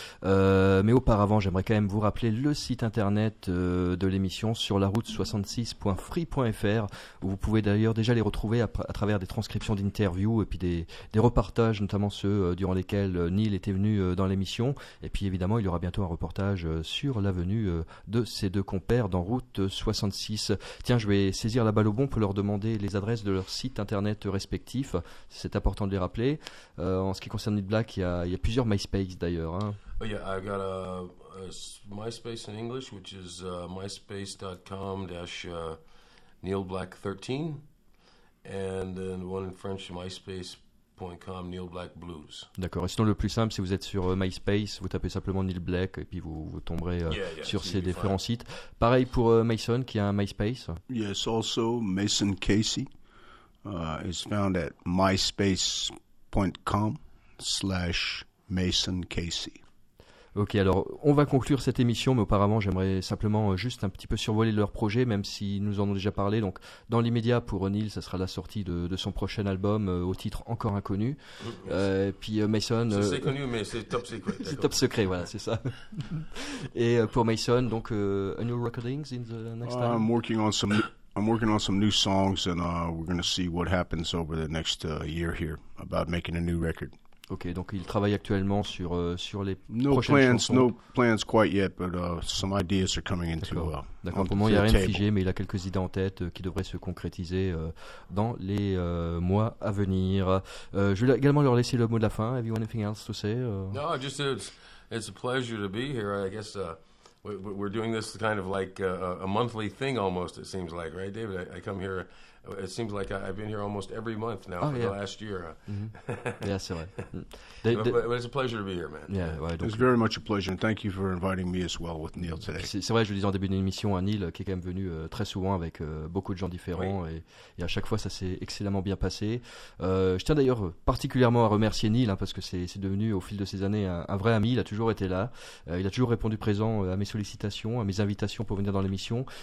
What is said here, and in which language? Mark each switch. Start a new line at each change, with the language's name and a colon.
French: Mais auparavant, j'aimerais quand même vous rappeler le site internet de l'émission sur laroute66.free.fr où vous pouvez d'ailleurs déjà les retrouver à travers des transcriptions d'interviews et puis des reportages, notamment ceux durant lesquels Neil était venu dans l'émission. Et puis évidemment, il y aura bientôt un reportage sur la venue de ces deux compères dans Route 66. Tiens, je vais saisir la balle au bon pour leur demander les adresses de leurs sites internet respectifs. C'est important de les rappeler. En ce qui concerne Neil Black, il y a plusieurs MySpace d'ailleurs. Hein.
English: Oh yeah, I got a MySpace in English, which is myspace.com-neilblack13, and then one in French, myspace.com/neilblackblues.
French: D'accord. Et sinon, le plus simple, si vous êtes sur MySpace, vous tapez simplement Neil Black et puis vous tomberez sur ces différents sites. Pareil pour Mason, qui a un MySpace.
English: Yes, also Mason Casey is found at myspace.com/MasonCasey.
French: Ok, alors on va conclure cette émission, mais auparavant j'aimerais simplement juste un petit peu survoler leur projet, même s'ils nous en ont déjà parlé. Donc dans l'immédiat pour Neil, ça sera la sortie de son prochain album au titre encore inconnu. Puis Mason... C'est connu, mais c'est top secret. C'est top secret, voilà, c'est ça. Et pour Mason, donc
English: a new recordings in the next time? I'm working on some new songs and we're going to see what happens over the next year here about making a new record.
French: Ok, donc il travaille actuellement sur les
English: no
French: prochaines
English: plans,
French: chansons.
English: No plans quite yet, but some ideas are coming into.
French: D'accord, pour le moment il n'y a rien de figé, mais il a quelques idées en tête qui devraient se concrétiser dans les mois à venir. Je vais également leur laisser le mot de la fin.
English: Have you anything else to say? No, just it's a pleasure to be here. I guess we're doing this kind of like a monthly thing almost, it seems like, right, David? I come here. It seems like I've been here almost every month now the last year. Mm-hmm. Yeah, sorry. But it's a pleasure to be here, man. Yeah, well, it's very much a pleasure. Thank you for inviting me as well with Neil today.
French: C'est vrai, je le disais en début d'émission, à Neil qui est quand même venu très souvent avec beaucoup de gens différents. Oui. Et à chaque fois, ça s'est excellemment bien passé. Je tiens d'ailleurs particulièrement à remercier Neil, hein, parce que c'est devenu au fil de ces années un vrai ami. Il a toujours été là. Il a toujours répondu présent à mes sollicitations, à mes invitations pour venir dans l'émission.